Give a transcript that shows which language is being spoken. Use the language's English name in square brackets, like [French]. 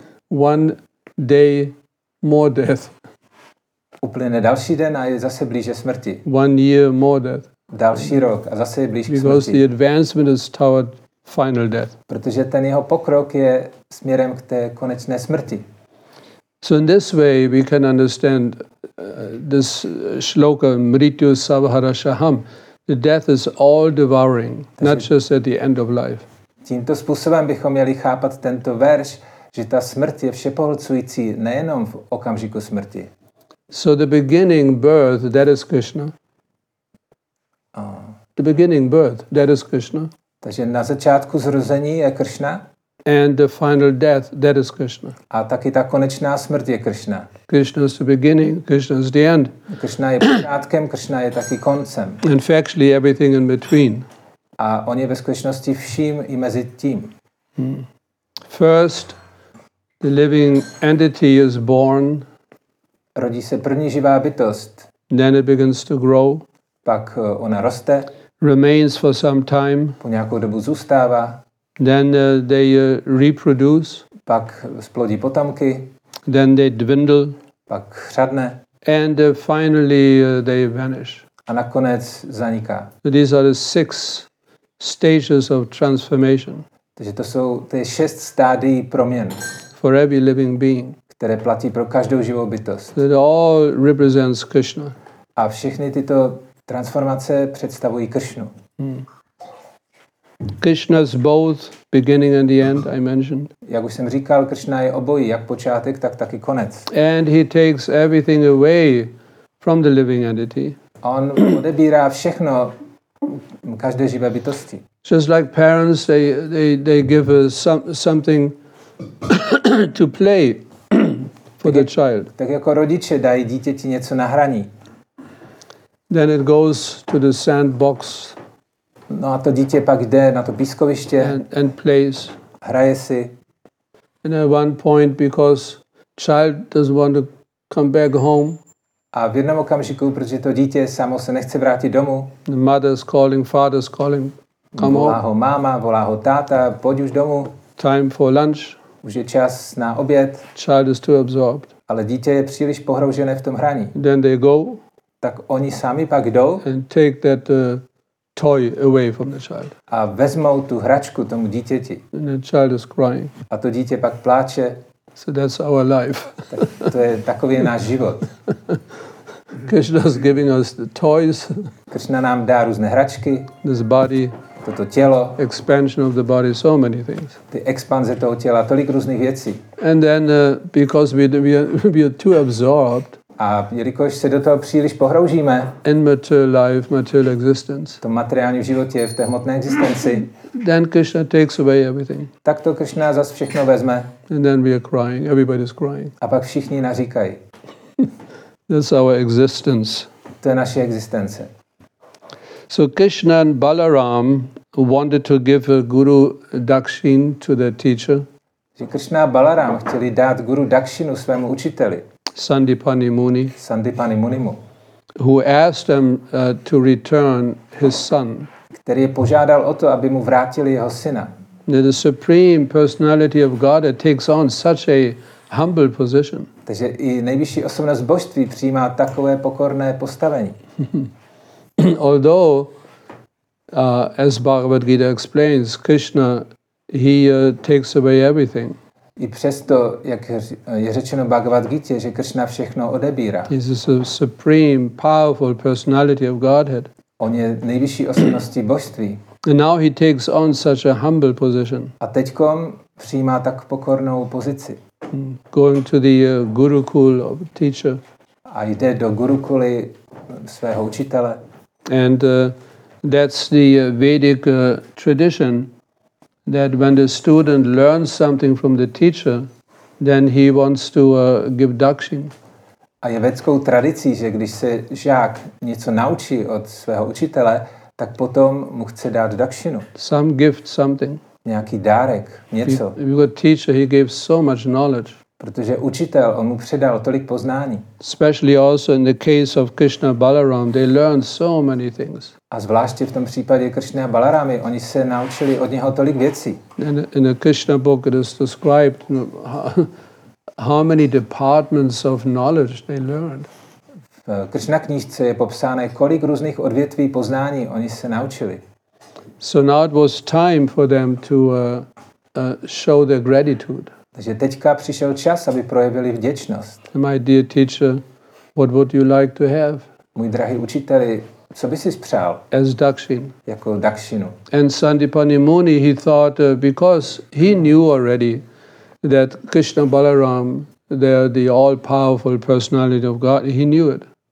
[English] One day more death. [Czech] Uplyne další den a je zase blíže smrti. [English] One year more death. [Czech] Další rok a zase je blíž [English] Because [Czech] k smrti. [English] Because the advancement is toward final death. [Czech] Protože ten jeho pokrok je směrem k té konečné smrti. [English] So in this way we can understand this shloka [Sanskrit] mrityu savharashaham. [English] The death is all devouring, not just at the end of life. [Czech] Tímto způsobem bychom měli chápat tento verš, že ta smrt je všepohlcující nejenom v okamžiku smrti. [English] So the beginning birth, that is Krishna. The beginning birth, that is Krishna. [Czech] Takže na začátku zrození je Krishna. [English] And the final death, that is Krishna. [Czech] A taky ta konečná smrt je Krishna. [English] Krishna is the beginning, Krishna is the end. [Czech] Krishna je počátkem, Krishna je taky koncem. [English] And factually everything in between. [Czech] A on je ve skutečnosti vším i mezi tím. [English] First, the living entity is born. [Czech] Rodí se první živá bytost. [English] Then it begins to grow. [Czech] Pak ona roste. [English] Remains for some time. [Czech] Po nějakou dobu zůstává. [English] Then they reproduce. [Czech] Pak splodí potomky. [English] Then they dwindle. [Czech] Pak chřadne. [English] And finally they vanish. [Czech] A nakonec zaniká. [English] So these are the six stages of transformation. [Czech] Takže to jsou ty šest stádií proměn. [English] For every living being. [Czech] Které platí pro každou živou bytost. [English] It all represents Krishna. [Czech] A všechny tyto transformace představují Krishnu. [English] Krishna is both beginning and the end, I mentioned. [Czech] Jak už jsem říkal, Krishna je obojí, jak počátek, tak taky konec. [English] And he takes everything away from the living entity. [Czech] On odebírá všechno každé živé bytosti. [English] Just like parents, they give something to play. The child. [Czech] Tak jako rodiče dají dítěti něco na hraní. [English] Then it goes to the sandbox. [Czech] No a to dítě pak jde na to pískoviště. [English] And plays. [Czech] Hraje si. [English] And at one point, because child doesn't want to come back home. [Czech] A v jednom okamžiku, protože to dítě samo se nechce vrátit domů. [English] The mother's calling, father's calling. Come [Czech] volá ho máma, volá ho táta, pojď už domů. [English] Time for lunch. [Czech] Už je čas na oběd. [English] Child is too absorbed. [Czech] Ale dítě je příliš pohroužené v tom hraní. [English] Then they go. [Czech] Tak oni sami pak jdou. [English] And take that toy away from the child. [Czech] A vezmou tu hračku tomu dítěti. [English] And the child is crying. [Czech] A to dítě pak pláče. [English] So that's our life. [Czech] To je takový náš život. [English] Krishna is giving us the toys. [Czech] Krishna nám dá různé hračky. [English] This body. [Czech] Toto tělo. [English] Expansion of the body, so many things. [Czech] Ty expanze toho těla, tolik různých věcí. [English] And then because we are too absorbed. [Czech] A jelikož se do toho příliš pohroužíme. [English] In material life, material existence. [Czech] To materiální životě, v té hmotné existenci. [English] Then Krishna takes away everything. [Czech] Tak to Krishna zas všechno vezme. [English] And then we are crying, everybody's crying. [Czech] A pak všichni naříkají. [English] That's our existence. [Czech] To je naše existence. [English] So Krishna and Balaram wanted to give a guru dakshin to their teacher. [Czech] Že Krishna a Balaram chtěli dát guru dakshinu svému učiteli. [English] Sandipani Munimu. Who asked them to return his son. [Czech] Který je požádal o to, aby mu vrátili jeho syna. [English] The supreme personality of Godhead takes on such a humble position. [Czech] Takže i nejvyšší osobnost božství přijímá takové pokorné postavení. [English] Although, as Bhagavad Gita explains, Krishna, he takes away everything. [Czech] I přesto, jak je řečeno v Bhagavad Gita, že Krishna všechno odebírá. [English] He is the supreme, powerful personality of Godhead. [Czech] On je nejvyšší osobností božství. [English] And now he takes on such a humble position. [Czech] A teďkom přijímá tak pokornou pozici. [English] Going to the Gurukul of teacher. [Czech] A jde do Gurukuly svého učitele. [English] And that's the Vedic tradition. That when the student learns something from the teacher, then he wants to give dakshin. [Czech] A je vedskou tradicí, že když se žák něco naučí od svého učitele, tak potom mu chce dát dakshinu. [English] Some gift, something. [Czech] Nějaký dárek, něco. [English] Because teacher, he gave so much knowledge. [Czech] Protože učitel, on mu předal tolik poznání. [English] Especially also in the case of Krishna Balaram, they learned so many things. [Czech] A zvláště v tom případě Krishna Balarámy, oni se naučili od něho tolik věcí. [English] In the Krishna book it is described how many departments of knowledge they learned. [Czech] V Krishna knížce je popsáno, kolik různých odvětví poznání oni se naučili. [English] So now it was time for them to show their gratitude. [Czech] Takže teďka přišel čas, aby projevili vděčnost. [English] My dear teacher, what would you like to have? [Czech] Můj drahý učiteli, co bys si přál? [English] As dakshin. [Czech] Jako dakshinu. [English] And Sandipani Muni, he thought, because he knew already that Krishna Balaram, they're the all-powerful personality of God, he knew it.